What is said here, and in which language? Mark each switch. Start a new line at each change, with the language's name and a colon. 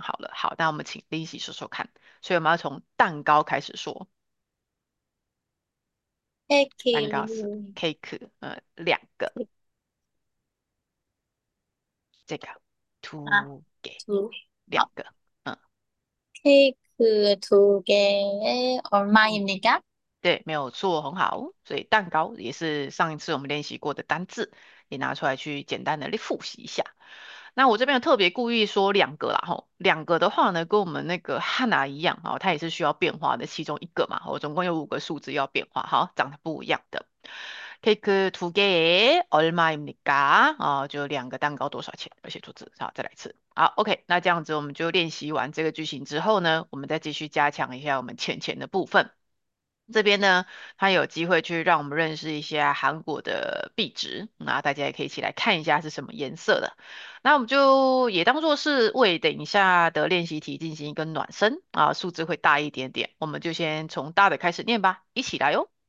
Chinese: 好了，好，那我们请 Lindsay 说说看。所以我们要从蛋糕开始说，蛋糕是 cake，2个，这个 two 개，2个。
Korean: 케이크 2개에 얼마입니까?
Chinese: 对，没有错，很好。所以蛋糕也是上一次我们练习过的单字，也拿出来去简单的复习一下。那我这边有特别故意说两个啦，吼，两个的话呢，跟我们那个汉娜一样，哦，它也是需要变化的其中一个嘛，我总共有5个数字要变化，好，长得不一样的。
Korean: 케이크 두 개에 얼마입니까?
Chinese: 就两个蛋糕多少钱？而且数字，好，再来一次。好，OK，那这样子我们就练习完这个句型之后呢，我们再继续加强一下我们前前的部分。这边呢，它有机会去让我们认识一下韩国的币值，那大家也可以一起来看一下是什么颜色的。那我们就也当做是为等一下的练习题进行一个暖身啊，数字会大一点点，我们就先从大的开始念吧，一起来哟。